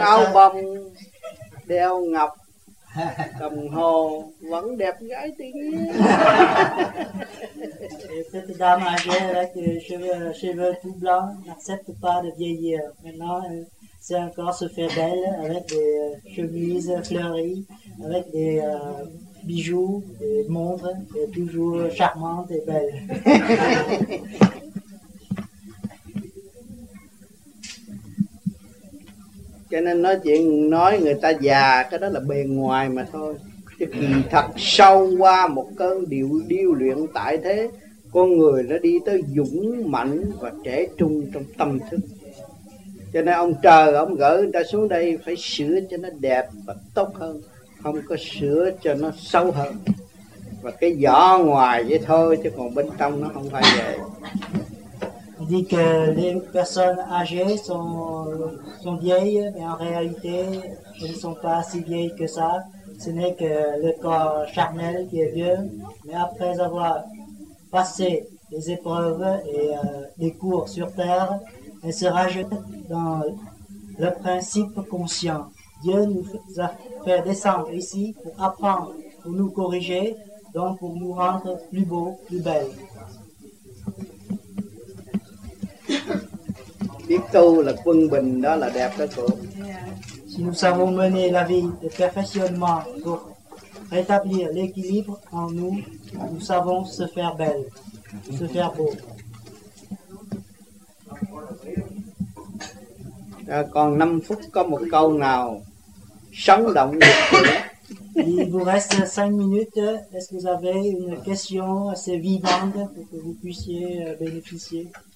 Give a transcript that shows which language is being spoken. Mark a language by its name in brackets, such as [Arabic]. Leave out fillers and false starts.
[Vietnamese] áo bông, đeo ngọc, đồng hồ, vẫn đẹp gái tiếng. [French] Cette dame âgée avec cheveux tout blancs n'accepte pas de vieillir. Maintenant, elle sait encore se faire belle avec des chemises fleuries, avec des bijoux et montre est toujours charmante et belle. [Vietnamese] Cho nên nói chuyện nói người ta già cái đó là bề ngoài mà thôi, chứ kỳ thật sâu qua một cơn điêu luyện tại thế, con người nó đi tới dũng mãnh và trẻ trung trong tâm thức. Cho nên ông trời ông gỡ người ta xuống đây phải sửa cho nó đẹp và tốt hơn, không có sửa cho nó xấu hơn. Và cái vỏ ngoài vậy thôi chứ còn bên trong nó không phải vậy. [French] Il dit que les personnes âgées sont vieilles, mais en réalité, elles ne sont pas si vieilles que ça. Ce n'est que le corps charnel qui est vieux, mais après avoir passé les épreuves et les cours sur terre, elles se rajoutent dans le principe conscient. Dieu nous a fait descendre ici pour apprendre, pour nous corriger, donc pour nous rendre plus beaux, plus belles. [Vietnamese] Biết tu là quân bình, đó là đẹp đó cô. [French] Si nous savons mener la vie de perfectionnement pour rétablir l'équilibre en nous, nous savons se faire belle, se faire beau. [Vietnamese] Còn 5 phút có một câu nào sống động được không? [French] Il vous reste 5 minutes. Est-ce que vous avez une question assez vivante pour que vous puissiez bénéficier?